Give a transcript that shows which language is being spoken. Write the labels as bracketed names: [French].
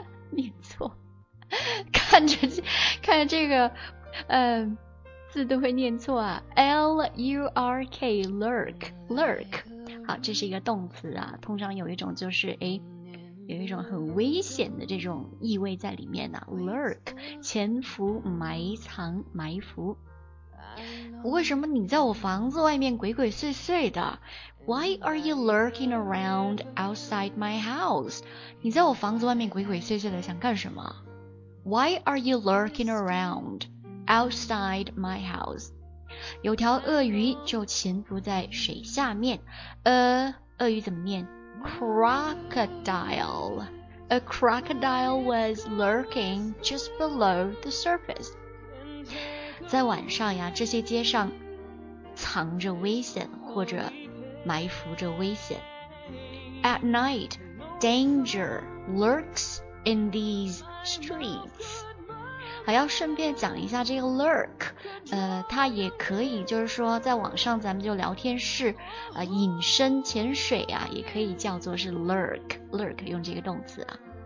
[Chinese] 念错，看着这个，字都会念错啊 ,L-U-R-K, lurk, lurk, 好，这是一个动词啊，通常有一种就是诶，有一种很危险的这种意味在里面啊 ,lurk, 潜伏、埋藏、埋伏。为什么你在我房子外面鬼鬼祟祟的 ? [English] Why are you lurking around outside my house? [Chinese] 你在我房子外面鬼鬼祟祟的想干什么 ? [English] Why are you lurking aroundOutside my house, [Chinese] 有条鳄鱼就潜伏在水下面。鳄鱼怎么念 ？Crocodile. [English] A crocodile was lurking just below the surface. [Chinese] 在晚上呀，这些街上藏着危险，或者埋伏着危险。 [English] At night, danger lurks in these streets. [Chinese] 还要顺便讲一下这个 lurk， 它也可以就是说在网上咱们就聊天室隐身潜水啊，也可以叫做是 lurk 用这个动词啊。